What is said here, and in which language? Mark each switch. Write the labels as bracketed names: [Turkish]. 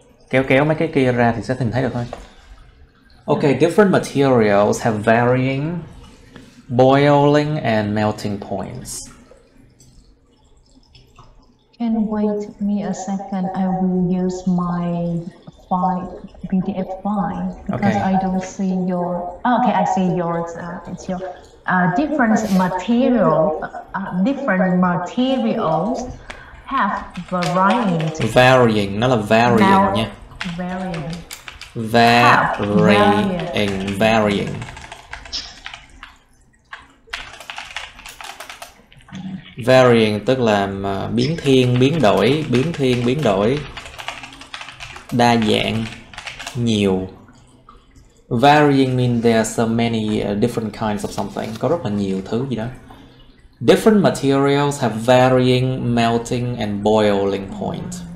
[Vietnamese] Kéo kéo mấy cái kia ra thì sẽ nhìn thấy được thôi. [English] Okay, different materials have varying boiling and melting points. Can wait me a second. I will use my PDF file because okay. I don't see your. Oh, okay, I see yours. It's your different material. Different materials have varying. Varying. Not a varying. Yeah. Varying. Varying. Varying. [Vietnamese] Varying tức là biến thiên, biến đổi, đa dạng, nhiều. [English] Varying means there are so many different kinds of something. [Vietnamese] Có rất là nhiều thứ gì đó. [English] Different materials have varying melting and boiling point.